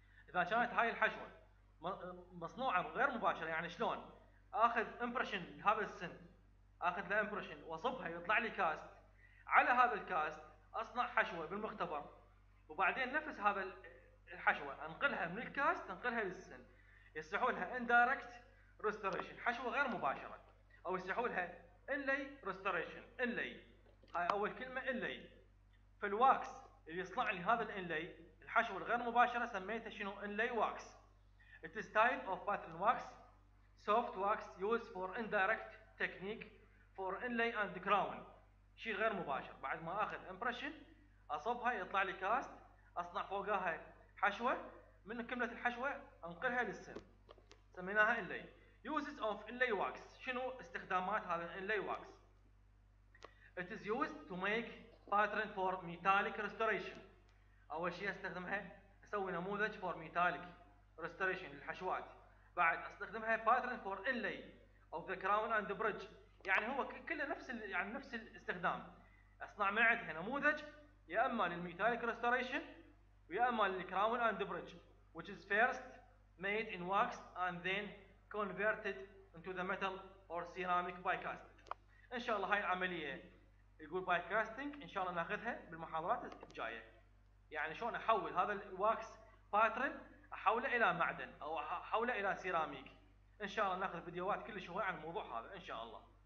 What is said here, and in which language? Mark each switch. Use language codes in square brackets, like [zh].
[ar] اذا كانت هاي الحشوه مصنوعه غير مباشره، يعني شلون اخذ امبريشن هذا السن، اخذ له امبريشن واصبها يطلع لي كاست، على هذا الكاست اصنع حشوه بالمختبر وبعدين نفس هذا الحشوه انقلها من الكاست انقلها للسن، يسمحونها اندايركت ريستوريشن حشوه غير مباشره، او يسمحونها انلي ريستوريشن. انلي هاي اول كلمه انلي. في الواكس اللي يصنع لي هذا الانلي الحشوه الغير مباشره سميته شنو؟ انلي واكس. [en] It is type of pattern wax, soft wax used for indirect technique for inlay and crown. [ar] شيء غير مباشر، بعد ما اخذ امبريشن اصبها يطلع لي كاست اصنع فوقها حشوه، من كمله الحشوه انقلها للسن سميناها انلي. [en] Uses of inlay wax، [ar] شنو استخدامات هذا الانلي [en] wax؟ It is used to make pattern for metallic restoration. [ar] أول شيء استخدمها أسوي نموذج [en] for metallic restoration [ar] للحشوات. بعد استخدمها [en] pattern for inlay of the crown and the bridge. [ar] يعني هو كله نفس الاستخدام. أصنع معدها نموذج يا أما للmetallic restoration ويا أما للcrown and the bridge. [en] Which is first made in wax and then converted into the metal or ceramic by casting. [ar] إن شاء الله هاي العملية يقول باي كاستنج ان شاء الله ناخذها بالمحاضرات الجايه، يعني شلون احول هذا الواكس باترن احوله الى معدن او احوله الى سيراميك. ان شاء الله ناخذ فيديوهات كل شوي عن الموضوع هذا ان شاء الله.